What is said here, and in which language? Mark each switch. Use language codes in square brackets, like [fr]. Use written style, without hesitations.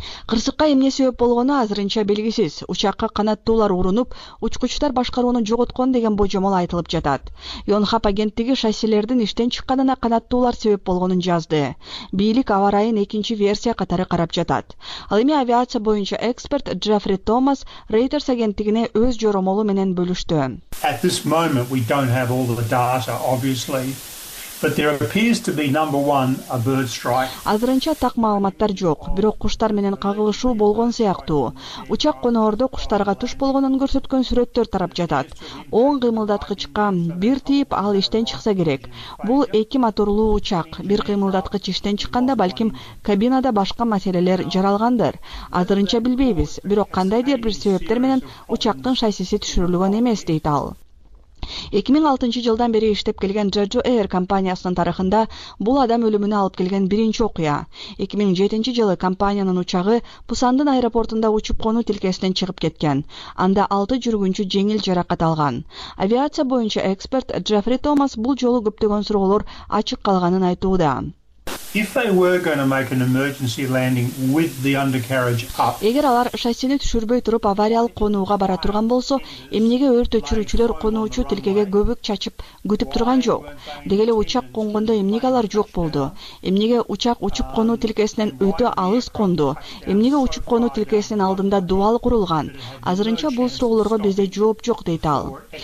[ky] Кырсыкка эмне себеп болгону азырынча белгисиз. Учакка канаттуулар урунуп, учкучтар башкарууну жоготкон деген божомол айтылып жатат. Йонхап агенттиги шасилердин иштен чыкканына канаттуулар себеп болгонун жазды. Бийлик аба ырайын экинчи версия катары карап жатат. Ал эми авиация боюнча эксперт Джеффри Томас Reuters агенттигине өз жоромолу менен бөлүштү. [en] At this moment we don't have all the data obviously. But there appears to be number one a bird strike. [ky] Азырынча так маалыматтар жок, бирок куштар менен кагылышуу болгон сыяктуу. Учак коноордо куштарга туш болгонун көрсөткөн сүрөттөр тарап жатат. Оң кыймылдаткычка бир тийип ал иштен чыкса керек. Бул эки моторлуу учак. Бир кыймылдаткыч иштен чыкканда балким кабинада башка маселелер жаралгандыр. Азырынча билбейбиз, бирок кандайдыр бир себептер менен учактын шасиси түшүрүлгөн эмес дейт ал. 2006 жылдан бери иштеп келген Jeju Air компаниясынын тарыхында бул адам өлүмүнө алып келген биринчи окуя. 2007 жылы компаниянын учагы Пусандын аэропортунда учуп конуу тилкесинен чыгып кеткен. Анда 6 жүргүнчү жеңил жаракат алган. Авиация боюнча эксперт Джеффри Томас бул жолу көптөгөн суроолор ачык калганын айтууда. [en] If they were going to make an emergency landing with the undercarriage up. [ky] Эгер алар шассини түшүрбөй туруп авариялык конууга бара турган болсо, эмнеге өрт өчүрүүчүлөр конуучу тилкеге көбүк чачып күтүп турган жок? Деги эле учак конгондо эмнеге алар жок болду? Эмнеге учак учуп конуу тилкесинен өтө алыс кондо? Эмнеге учуп конуу тилкесинин алдында дубал курулган? Азырынча бул суроолорго бизде жооп жок, дейт ал.